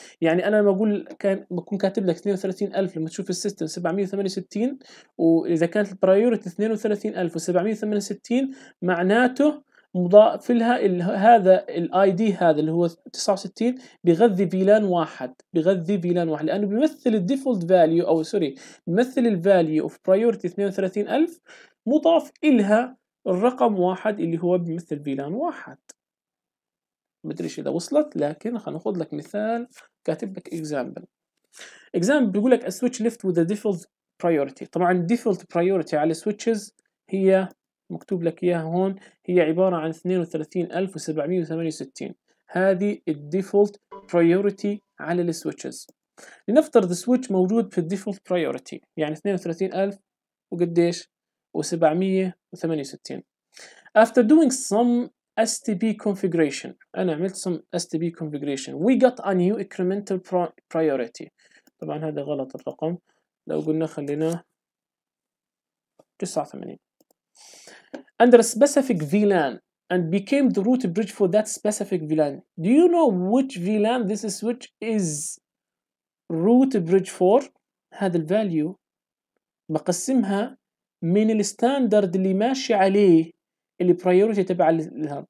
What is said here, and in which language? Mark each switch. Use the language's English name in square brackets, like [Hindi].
[Arabic] يعني انا لما اقول كان بكون كاتب لك 32000 لما تشوف السيستم 768 واذا كانت البرايورتي 32768 معناته مضاف لها هذا الاي دي هذا اللي هو 69 بيغذي فيلان واحد، بيغذي فيلان واحد لانه بيمثل الديفولت فاليو او سوري بيمثل الفاليو اوف برايورتي 32000 مضاف لها الرقم واحد اللي هو بيمثل فيلان واحد. مدريش إذا وصلت، لكن خنأخذ لك مثال كاتب لك example. [English] example [Arabic] بيقول لك [English] a switch left with the default priority. [Arabic] طبعا default priority على switches هي مكتوب لك إياها هون، هي عبارة عن 32768. هذه الديفولت برايورتي على السويتشز. لنفترض السويتش موجود في الديفولت برايورتي، يعني 32000 وقديش و768. [English] After doing some STP configuration، [Arabic] انا عملت [English] some STP configuration، we got a new incremental priority. [Arabic] طبعا هذا غلط الرقم، لو قلنا خليناه 89. [English] Under a specific VLAN and became the root bridge for that specific VLAN. Do you know which VLAN this switch is root bridge for؟ [Arabic] هذا ال value بقسمها من الستاندرد اللي ماشي عليه اللي priority تبع لها.